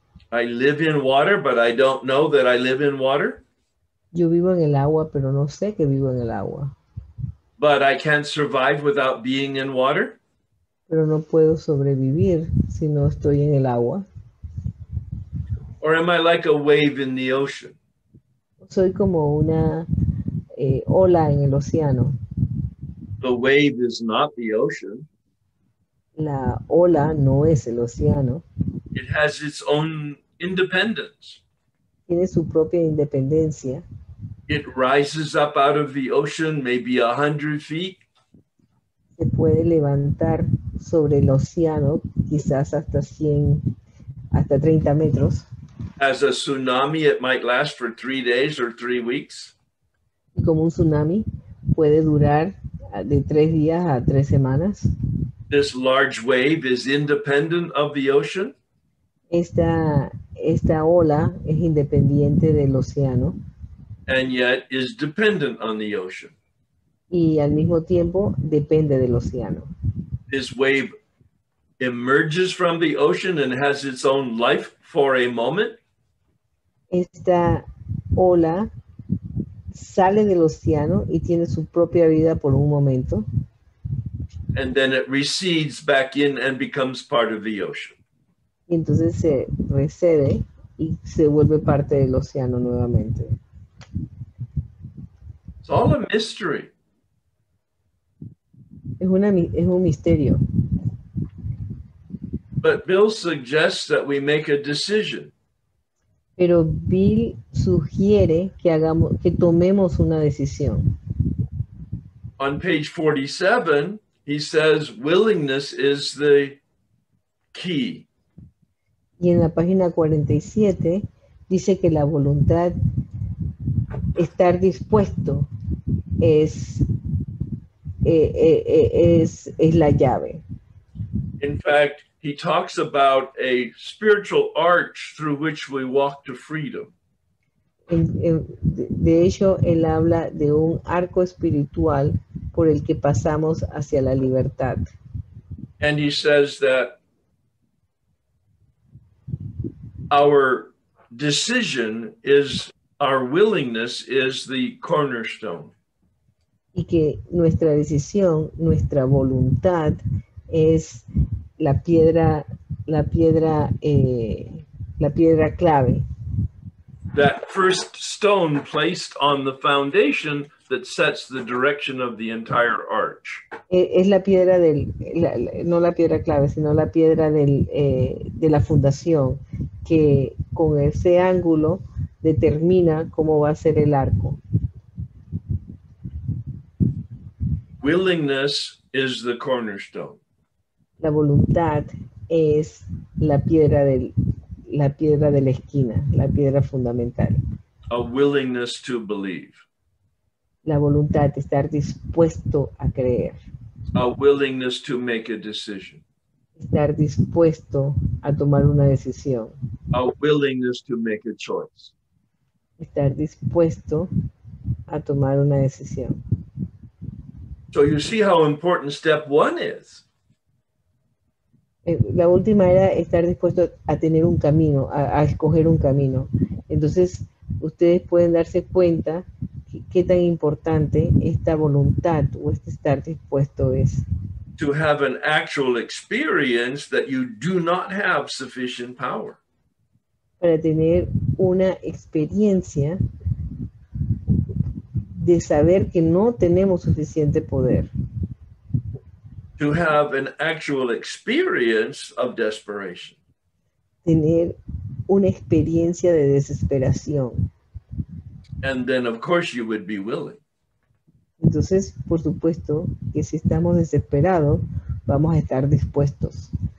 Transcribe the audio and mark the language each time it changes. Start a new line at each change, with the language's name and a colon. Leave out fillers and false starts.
English: I live in water, but I don't know that I live in water.
Spanish: Yo vivo en el agua, pero no sé que vivo en el agua.
English: But I can't survive without being in water.
Spanish: Pero no puedo sobrevivir si no estoy en el agua.
English: Or am I like a wave in the ocean?
Spanish: Soy como una ola en el océano.
English: The wave is not the ocean.
Spanish: La ola no es el océano.
English: It has its own independence.
Spanish: Tiene su propia independencia.
English: It rises up out of the ocean, maybe 100 feet.
Spanish: Se puede levantar sobre el océano, quizás hasta 100, hasta 30 metros.
English: As a tsunami, it might last for 3 days or 3 weeks.
Spanish: Y como un tsunami, puede durar de 3 días a 3 semanas.
English: This large wave is independent of the ocean.
Spanish: Esta ola es independiente del océano.
English: And yet is dependent on the ocean.
Spanish: Y al mismo tiempo depende del océano.
English: This wave emerges from the ocean and has its own life for a moment.
Spanish: Esta ola sale del océano y tiene su propia vida por un momento.
English: And then it recedes back in and becomes part of the ocean.
Spanish: Y entonces se recede y se vuelve parte del océano nuevamente.
English: It's all a mystery.
Spanish: Es un misterio.
English: But Bill suggests that we make a decision.
Spanish: Pero Bill sugiere que tomemos una decisión.
English: On page 47, he says willingness is the key.
Spanish: Y en la página 47 dice que la voluntad, estar dispuesto, es la llave.
English: In fact, he talks about a spiritual arch through which we walk to freedom.
Spanish: De hecho, él habla de un arco espiritual por el que pasamos hacia la libertad.
English: And he says that our decision is, our willingness is the cornerstone.
Spanish: Y que nuestra decisión, nuestra voluntad es la piedra clave.
English: That first stone placed on the foundation that sets the direction of the entire arch.
Spanish: Es la piedra del, no la piedra clave, sino la piedra del, de la fundación, que con ese ángulo determina cómo va a ser el arco.
English: Willingness is the cornerstone.
Spanish: La voluntad es la piedra de la esquina, la piedra fundamental.
English: A willingness to believe.
Spanish: La voluntad, estar dispuesto a creer.
English: A willingness to make a decision.
Spanish: Estar dispuesto a tomar una decisión.
English: A willingness to make a choice.
Spanish: Estar dispuesto a tomar una decisión.
English: So you see how important step one is.
Spanish: La última era estar dispuesto a tener un camino, a escoger un camino. Entonces, ustedes pueden darse cuenta qué tan importante esta voluntad o este estar dispuesto es.
English: To have an actual experience that you do not have sufficient power.
Spanish: Para tener una experiencia de saber que no tenemos suficiente poder.
English: To have an actual experience of desperation.
Spanish: Tener una experiencia de desesperación.
English: And then, of course, you would be willing.
Spanish: Entonces, por supuesto, que si estamos desesperados, vamos a estar dispuestos.